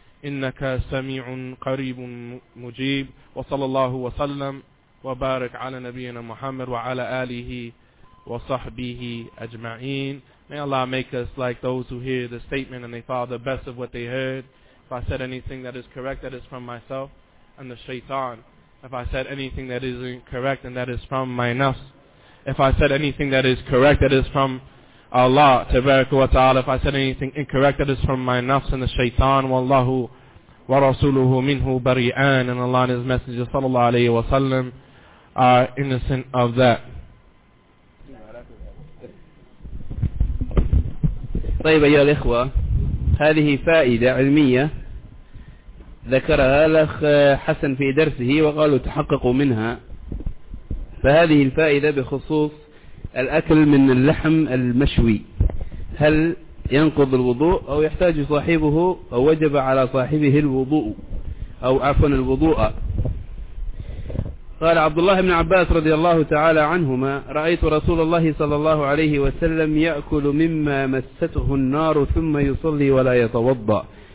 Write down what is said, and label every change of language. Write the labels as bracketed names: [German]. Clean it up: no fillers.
[Arabic] إنك سميع قريب مجيب وصلى الله وسلم وبارك على نبينا محمد وعلى آله وصحبه أجمعين. [English] May Allah make us like those who hear the statement and they follow the best of what they heard. If I said anything that is correct, that is from myself and the shaitan. If I said anything that is incorrect, and that is from my nafs. If I said anything that is correct, that is from Allah tabaraka wa ta'ala. If I said anything incorrect, that is from my nafs and the shaitan. [Arabic] Wallahu wa rasuluhu minhu bari'an. [English] And Allah and His Messenger sallallahu alayhi wa sallam are innocent of that. [Arabic] طيب أيها الإخوة، هذه فائدة علمية ذكرها الأخ حسن في درسه وقالوا تحققوا منها. فهذه الفائدة بخصوص الأكل من اللحم المشوي، هل ينقض الوضوء أو يحتاج صاحبه أو وجب على صاحبه الوضوء أو عفوا الوضوء؟ قال عبد الله بن عباس رضي الله تعالى عنهما: رأيت رسول الله صلى الله عليه وسلم يأكل مما مسته النار ثم يصلي ولا يتوضأ.